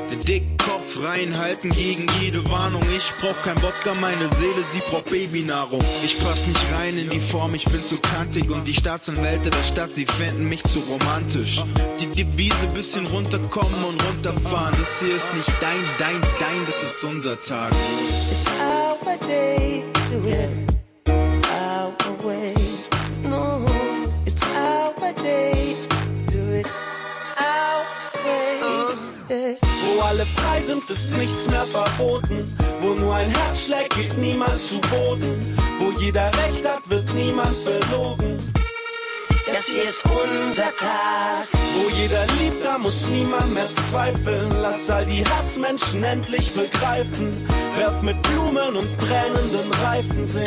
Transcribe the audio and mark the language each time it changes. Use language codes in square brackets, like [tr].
[de] Den Dickkopf reinhalten gegen jede Warnung. Ich brauch kein Wodka, meine Seele, sie braucht Babynahrung. Ich pass nicht rein in die Form, ich bin zu kantig. Und die Staatsanwälte der Stadt, sie finden mich zu romantisch. Die Devise bisschen runter. Kommen und runterfahren, das hier ist nicht dein, dein, dein, das ist unser Tag. [en] It's our day to win, our way, no, it's our day, do it our way, yeah. [de] Wo alle frei sind, ist nichts mehr verboten, wo nur ein Herz schlägt, geht niemand zu Boden, wo jeder Recht hat, wird niemand belogen. Das hier ist unser Tag. Wo jeder liebt, da muss niemand mehr zweifeln. Lass all die Hassmenschen endlich begreifen. Werf mit Blumen und brennenden Reifen sehen.